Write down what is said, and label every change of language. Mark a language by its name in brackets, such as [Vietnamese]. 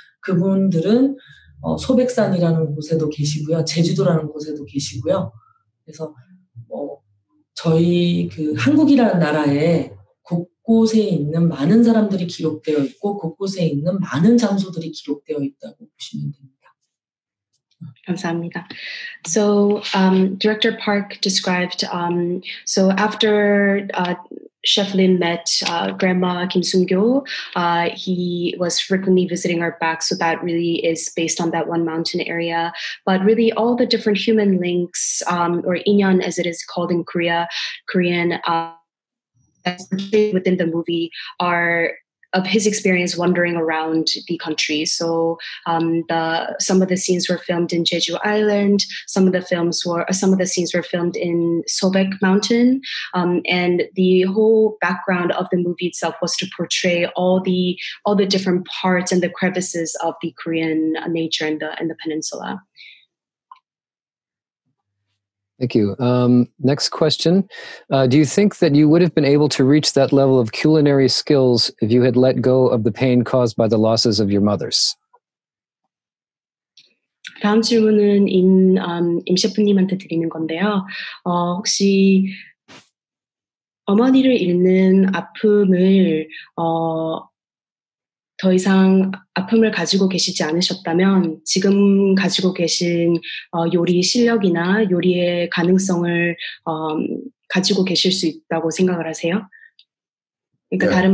[Korean] 그분들은 소백산이라는 곳에도 계시고요. 제주도라는 곳에도 계시고요. 그래서 저희 그 한국이라는 나라에 곳곳에 있는 많은 사람들이 기록되어 있고 곳곳에 있는 많은 장소들이 기록되어 있다고 보시면 됩니다. 감사합니다. [English] So, Director Park described, so after Chef Lin met Grandma Kim Sung-kyo, he was frequently visiting her back, so that really is based on that one mountain area. But really, all the different human links, or inyeon as it is called in Korea, Korean, within the movie are of his experience wandering around the country. So some of the scenes were filmed in Jeju Island, some of the scenes were filmed in Sobek Mountain, and the whole background of the movie itself was to portray all the different parts and the crevices of the Korean nature and the peninsula. Thank you. Next question. Do you think that you would have been able to reach that level of culinary skills if you had let go of the pain caused by the losses of your mothers? [Korean] 다음 질문은 임 셰프님한테 드리는 건데요. 혹시 어머니를 잃는 아픔을 더 이상 아픔을 가지고 계시지 않으셨다면 지금 가지고 계신 요리 실력이나 요리의 가능성을 가지고 계실 수 있다고 생각을 하세요? 그러니까 네.